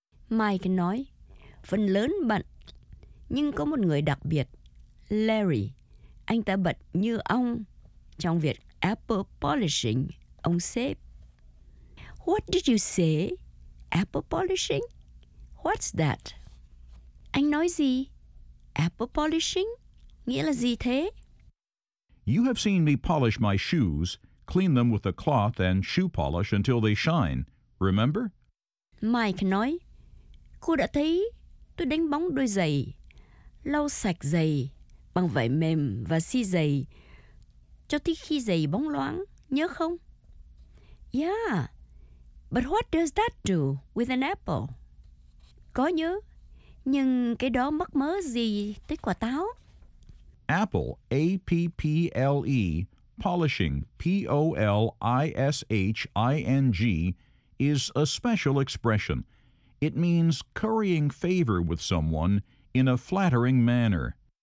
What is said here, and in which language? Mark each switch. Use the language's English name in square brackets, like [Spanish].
[Vietnamese] Mike nói, phần lớn bận. Nhưng có một người đặc biệt, Larry. Anh ta bận như ong trong việc apple polishing, ông sếp. [English] What did you say? Apple polishing? What's that? [Vietnamese] Anh nói gì? [English] Apple polishing? [Vietnamese] Nghĩa là gì thế? [English] You have seen me polish my shoes, clean them with a cloth and shoe polish until they shine. Remember? [Vietnamese] Mike nói, cô đã thấy tôi đánh bóng đôi giày, lau sạch giày bằng vải mềm và xi giày cho tới khi giày bóng loáng, nhớ không? [English] Yeah, but what does that do with an apple? [Vietnamese] Có nhớ, nhưng cái đó mắc mớ gì tới quả táo? [English] Apple, APPLE, polishing, POLISHING, is a special expression. It means currying favor with someone in a flattering manner.